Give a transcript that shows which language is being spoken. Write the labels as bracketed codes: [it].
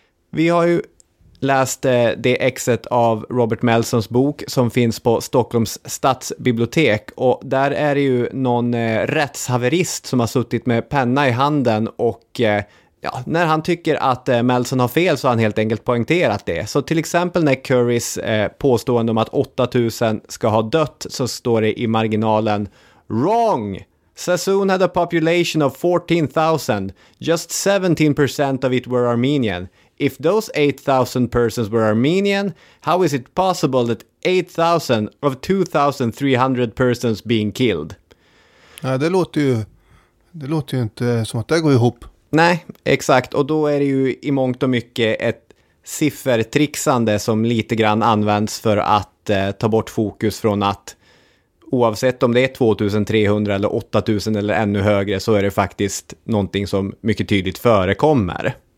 [sv] Vi har ju läst det exet av Robert Melsons bok som finns på Stockholms stadsbibliotek och där är det ju någon rättshaverist som har suttit med penna i handen och ja, när han tycker att Melson har fel så har han helt enkelt poängterat det. Så till exempel när Currys påstående om att 8000 ska ha dött så står det i marginalen [en] "Wrong! Sassoon had a population of 14,000. Just 17% of it were Armenian. If those 8,000 persons were Armenian, how is it possible that 8,000 of 2,300 persons being killed?" [sv] Nej, ja, det låter ju inte som att det går ihop. Nej, exakt. Och då är det ju i mångt och mycket ett siffertrixande som lite grann används för att ta bort fokus från att oavsett om det är 2300 eller 8000 eller ännu högre så är det faktiskt någonting som mycket tydligt förekommer.